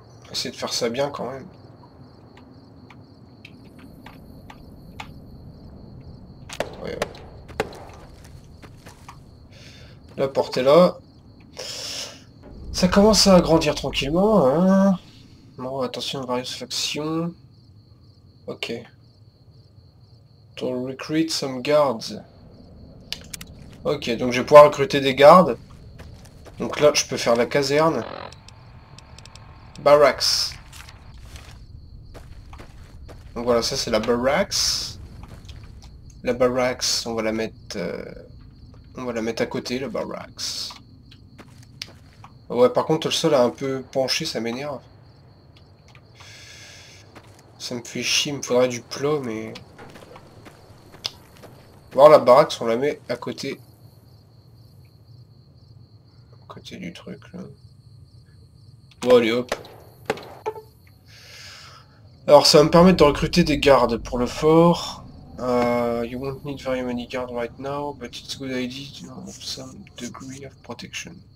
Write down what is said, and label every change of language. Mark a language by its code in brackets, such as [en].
[fr] Essayer de faire ça bien quand même. La porte est là. Ça commence à grandir tranquillement. Hein. Bon, attention, [en] various factions. Ok. To recruit some guards. [fr] Ok, donc je vais pouvoir recruter des gardes. Donc là, je peux faire la caserne. Barracks. Donc voilà, ça c'est la barracks. La barracks, on va la mettre à côté, la barracks. Ouais, par contre, le sol a un peu penché, ça m'énerve. Ça me fait chier, il me faudrait du plat, mais... Voir la barracks, on la met à côté. À côté du truc, là. Bon, allez, hop. Alors ça va me permettre de recruter des gardes pour le fort. [en] You won't need very many guards right now, but it's a good idea to have some degree of protection.